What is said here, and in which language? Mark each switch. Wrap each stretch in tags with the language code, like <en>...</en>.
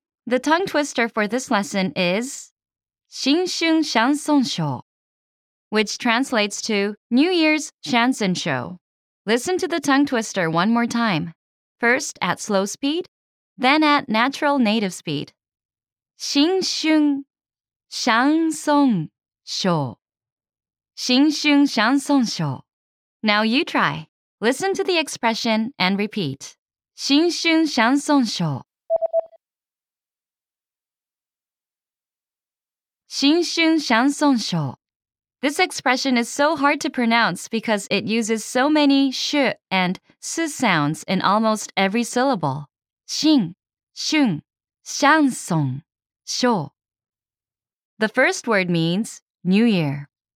<en>The tongue twister for this lesson is</en> <ja>新春シャンソンショー。</ja> <en>Which translates to New Year's Chanson Show. Listen to the tongue twister one more time. First at slow speed, then at natural native speed.</en> <ja>新春シャンソンショー。新春シャンソンショー。</ja> <en>Now you try. Listen to the expression and repeat.</en> <ja>新春シャンソンショー。新春シャンソンショー。</ja> <en>This expression is so hard to pronounce because it uses so many sh and s sounds in almost every syllable.</en> <ja>新春シャンソンショ</ja> <en>ー。 The first word means New Year.</en>